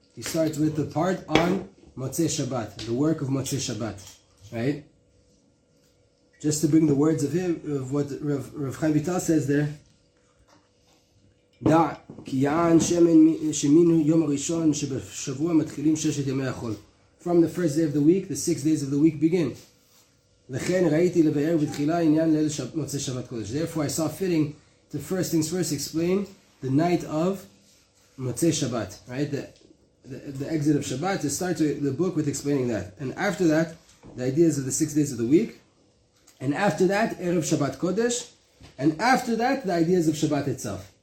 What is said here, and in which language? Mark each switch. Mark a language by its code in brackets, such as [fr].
[en] He starts with the part on Motzei Shabbat, the work of Motzei Shabbat, right? Just to bring the words of him, of what Rav Chaim Vital says there, [he] דא כי יאן שמן שמינו יום ראשון שבשבוע מתחילים ששת ימי החול. [en] From the first day of the week, the 6 days of the week begin. [he] לכן ראיתי לבאר בתחילה עניין ליל מוצא שבת קודש. [en] Therefore I saw fitting to first things first explain the night of מוצא שבת. Right? The exit of Shabbat, to start the book with explaining that. And after that, the ideas of the 6 days of the week. And after that, ערב שבת קודש. And after that, the ideas of Shabbat itself.